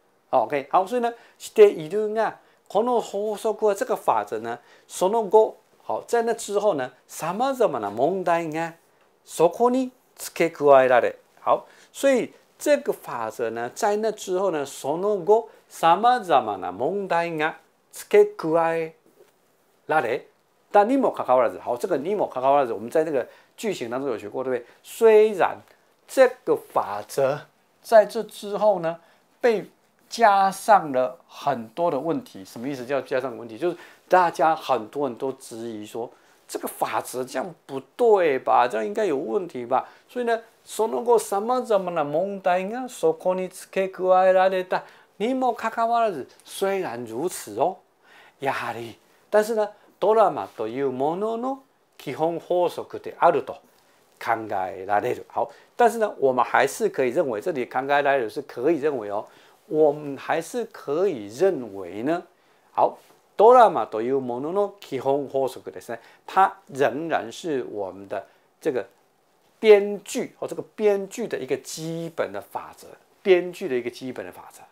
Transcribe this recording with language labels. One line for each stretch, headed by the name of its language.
Chinese: OK， 好，所以呢，
Japanese: しているが，この法則は
Chinese: 这个法则呢，その後，好，在那之后呢，
Japanese: さまざまな問題がそこに付け加えられ，
Chinese: 好，所以这个法则呢，在那之后呢，
Japanese: その後さまざまな問題が付け加えられ，
Chinese: 但
Japanese: にもかかわらず，
Chinese: 好，这个にもかかわらず，我们在那个剧情当中有学过，对不对？虽然这个法则在这之后呢，被加上了很多的问题，什么意思？叫加上问题，就是大家很多人都质疑说，这个法则这样不对吧？这样应该有问题吧？所以呢，
Japanese: その後さまざまな問題がそこに付け加えられた。にもかかわらず，
Chinese: 虽然如此哦，
Japanese: やはり，
Chinese: 但是呢，
Japanese: ドラマというものの基本法則であると考えられる。
Chinese: 好，但是呢，我们还是可以认为，这里
Japanese: 考えられる
Chinese: 是可以认为哦。我们还是可以认为呢，好，
Japanese: ドラマというものの基本法則ですね，
Chinese: 它仍然是我们的这个编剧或这个编剧的一个基本的法则，编剧的一个基本的法则。